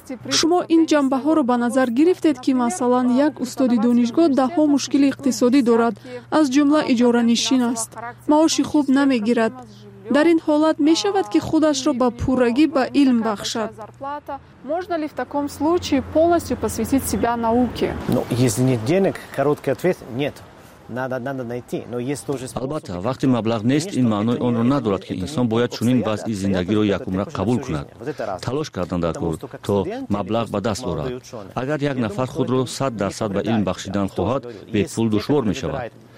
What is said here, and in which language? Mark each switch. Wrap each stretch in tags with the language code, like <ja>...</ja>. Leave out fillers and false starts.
<tg>Шумо ин ҷанбаҳоро ба назар гирифтед, ки масалан як устоди донишгоҳ даҳҳо мушкили иқтисодӣ дорад, аз ҷумла иҷоранишин аст, маоши хуб намегирад. Дар ин ҳолат мешавад, ки худашро ба пуррагӣ ба илм бахшад?</tg> <ru>Можна ли в таком случае полностью посвятить себя науке? Ну, если нет денег, короткий ответ – нет.</ru> <tg>Албатта, вақти маблағ нест, ин маънои онро надорад, ки инсон бояд чунин вазъи зиндагиро якумра қабул кунад. Талош кардан дар кор, то маблағ ба даст орад. Агар як нафар худро 100% ба илм бахшидан хоҳад, бепул душвор мешавад.</tg>